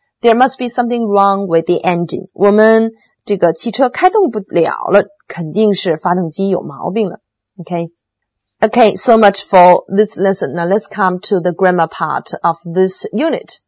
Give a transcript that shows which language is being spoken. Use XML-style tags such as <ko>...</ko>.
<en>There must be something wrong with the engine.</en> <zh>我们这个汽车开动不了了，肯定是发动机有毛病了。</zh> <en>OK。 Okay, so much for this lesson. Now let's come to the grammar part of this unit.</en>